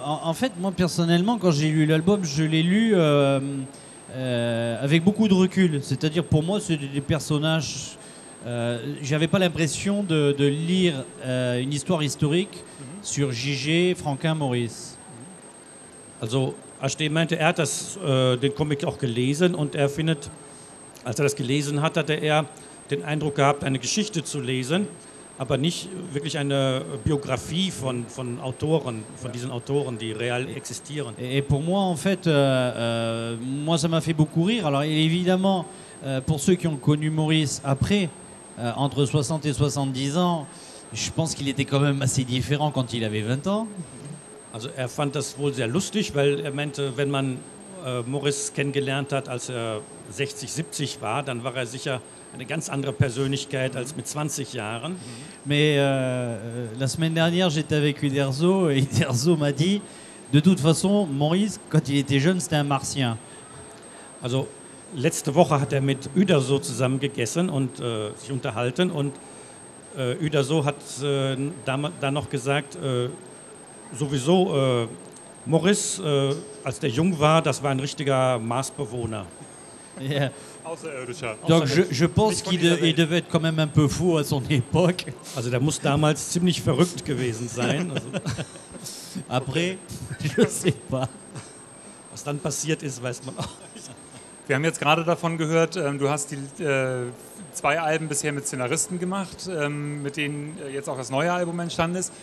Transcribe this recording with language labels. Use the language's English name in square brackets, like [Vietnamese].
[French] En fait, moi personnellement, quand j'ai lu l'album, je l'ai lu avec beaucoup de recul. C'est-à-dire, pour moi, c'était des personnages. J'avais pas l'impression de lire une histoire historique sur Gigé, Franquin, Maurice. [German] Also, Asté meinte, er hat das, den Comic auch gelesen und er findet, als er das gelesen hat, hatte er den Eindruck gehabt, eine Geschichte zu lesen. Aber nicht wirklich eine Biografie von Autoren, von diesen Autoren, die real existieren. [French] Et pour moi, en fait, moi, ça m'a fait beaucoup rire. Alors, évidemment, pour ceux qui ont connu Maurice après, entre 60 et 70 ans, je pense qu'il était quand même assez différent quand il avait 20 ans. [German] Also, er fand das wohl sehr lustig, weil er meinte, wenn man Maurice kennengelernt hat, als er 60, 70 war, dann war er sicher eine ganz andere Persönlichkeit als mit 20 Jahren. [French] Mais la semaine dernière, j'étais avec Uderzo et Uderzo m'a dit, de toute façon, Maurice, quand il était jeune, c'était un Martien. [German] Also letzte Woche hat er mit Uderzo zusammen gegessen und sich unterhalten und Uderzo hat dann noch gesagt, sowieso Maurice, als der jung war, das war ein richtiger Marsbewohner. Yeah. [French] Donc je pense qu'il devait être quand même un peu fou à son époque. [German] Also der muss damals ziemlich verrückt gewesen sein. [French] Après, je sais pas. [German] Was dann passiert ist, weiß man auch. Wir haben jetzt gerade davon gehört, du hast die zwei Alben bisher mit Szenaristen gemacht, mit denen jetzt auch das neue Album entstanden ist.